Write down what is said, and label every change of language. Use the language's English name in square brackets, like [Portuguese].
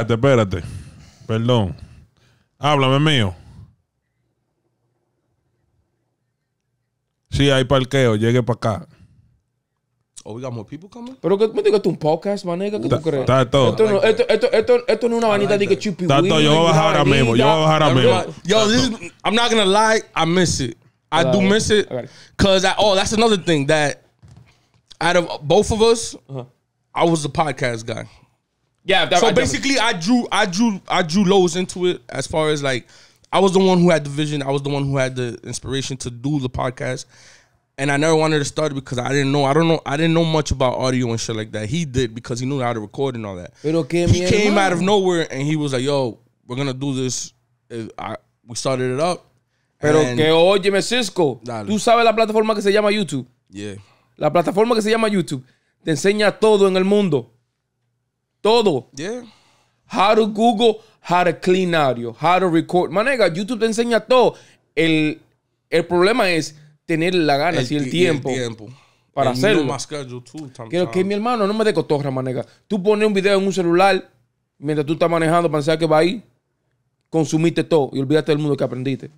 [Spanish] Espérate. Perdón. Háblame mío. Sí, hay parqueo. Llegué para acá. [English] Oh, we got more people coming? [Spanish] Pero que me digas, ¿tú un podcast, manega? ¿Qué tú crees? Está todo. Esto, like no, esto no es una vanita de que chupi. Está todo. Yo voy a bajar ahora mismo. [English] Yo, this is, I'm not going to lie. I miss it. I miss it. Because, that's another thing. That out of both of us, I was the podcast guy. Yeah. I drew Lois into it as far as, like, I was the one who had the vision. I was the one who had the inspiration to do the podcast. And I never wanted to start it because I didn't know. I didn't know much about audio and shit like that. He did because he knew how to record and all that. [Spanish] Pero que [English] he came out of nowhere and he was like, yo, we're going to do this. We started it up. [Spanish] Pero que óyeme, Cisco. Dale. Tú sabes la plataforma que se llama YouTube. [English] Yeah. [Spanish] La plataforma que se llama YouTube te enseña todo en el mundo. Todo. [English] Yeah. How to Google, how to clean audio, how to record. [Spanish] Manega, YouTube te enseña todo. El problema es tener la gana y el tiempo. Para hacerlo. [English] My schedule too, [Spanish] quiero que mi hermano no me dé cotorra, manega. Tú pones un video en un celular mientras tú estás manejando, pensar que va ahí, consumiste todo y olvídate del mundo que aprendiste.